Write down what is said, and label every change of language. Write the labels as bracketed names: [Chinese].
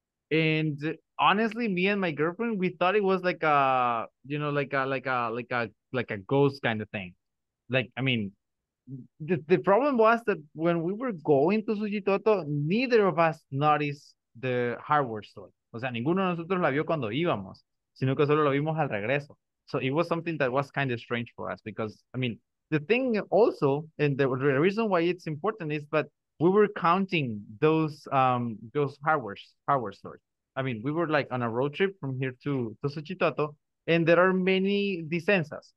[English] And honestly, me and my girlfriend, we thought it was like a, you know, like a ghost kind of thing. Like, I mean, the problem was that when we were going to Suchitoto, neither of us noticed the hardware store. [Spanish] O sea, ninguno de nosotros la vio cuando íbamos, sino que solo lo vimos al regreso. [English] So it was something that was kind of strange for us because, I mean, the thing also, and the reason why it's important is that we were counting those power source. I mean, we were like on a road trip from here to Suchitoto, and there are many disensas.